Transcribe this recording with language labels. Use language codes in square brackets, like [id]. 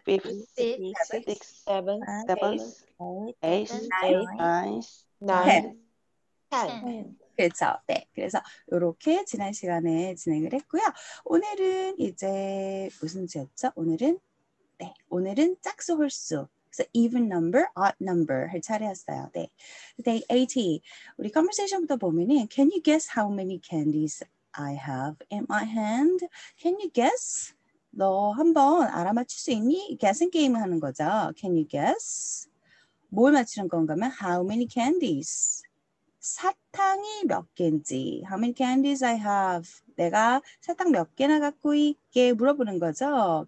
[en] fifth, sixth, seventh, seventh, eighth, ninth, tenth. 10. [ko] 그렇죠. 네. 그래서 이렇게 지난 시간에 진행을 했고요. 오늘은 이제 무슨 주였죠? 오늘은 네. 오늘은 짝수 홀수. 그래서 [en] even number, odd number [ko] 할 차례였어요. 네. 근데 AT, 우리 conversation부터 보면은 [en] can you guess how many candies I have in my hand? Can you guess? [ko] 너 한번 알아맞힐 수 있니? [en] Guessing game [ko] 하는 거죠. [en] Can you guess? [ko] 뭘 맞추는 건가 하면 [en] how many candies? [ko] 사탕이 몇 개인지. [en] How many candies I have? [ko] 내가 사탕 몇 개나 갖고 있게 물어보는 거죠.